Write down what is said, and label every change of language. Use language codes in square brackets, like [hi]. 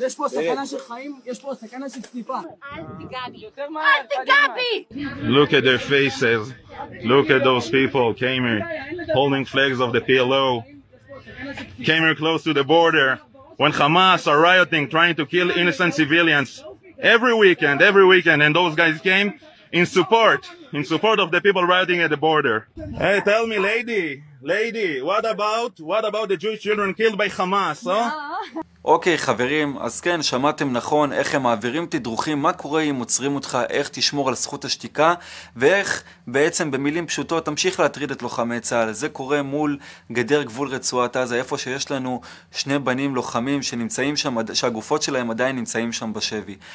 [he] יש פה סכנה של חיים, יש פה סכנה של סטיפה. אל תיגע בי. [en] Look at their faces. Look at those people came here holding flags of the PLO. Came here close to the border when Hamas are rioting, trying to kill innocent civilians. Every weekend, and those guys came in support of the people rioting at the border. Hey, tell me, lady, what about the Jewish children killed by Hamas, huh? [he] אוקיי, חברים, אז כן, שמעתם נכון איך הם מעבירים תדרוכים, מה קורה אם עוצרים אותך, איך תשמור על זכות השתיקה, ואיך בעצם במילים פשוטות תמשיך להטריד את לוחמי צהל. זה קורה מול גדר גבול רצועת עזה, איפה שיש לנו שני בנים לוחמים שנמצאים שם, שהגופות שלהם עדיין נמצאים שם בשבי.